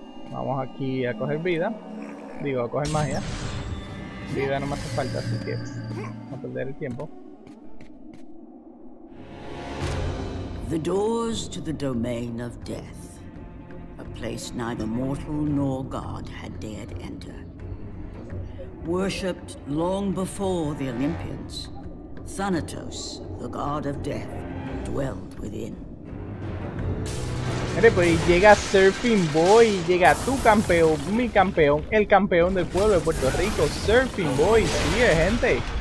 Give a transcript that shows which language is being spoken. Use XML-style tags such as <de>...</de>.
<es>Vamos aquí a coger vida. Digo, a coger magia. Vida no me hace falta, así que no perder el tiempo.</es> <en>The doors to the domain of death. A place neither mortal nor god had dared enter. Worshipped long before the Olympians, Thanatos, the god of death, dwelled within.</en> <es>Mire, pues llega Surfing Boy, llega tu campeón, mi campeón, el campeón del pueblo de Puerto Rico, Surfing Boy, sí, gente.</es>